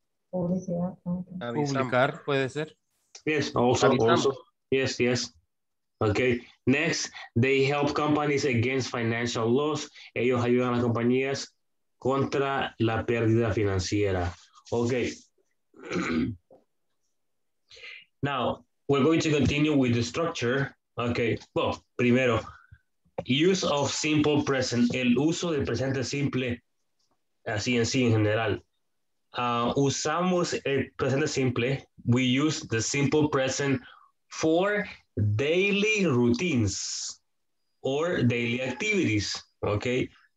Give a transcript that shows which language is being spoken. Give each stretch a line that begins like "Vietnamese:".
Spanish: Publicar, puede ser.
English: Yes, also. Yes, yes. Okay. Next, they help companies against financial loss.
Spanish: Ellos ayudan a las compañías contra la pérdida financiera.
English: Okay. Now, we're going to continue with the structure. Okay.
Spanish: Well, primero,
English: use of simple present,
Spanish: el uso del presente simple, así en sí en general. Usamos el presente simple,
English: we use the simple present for daily routines or daily activities, okay?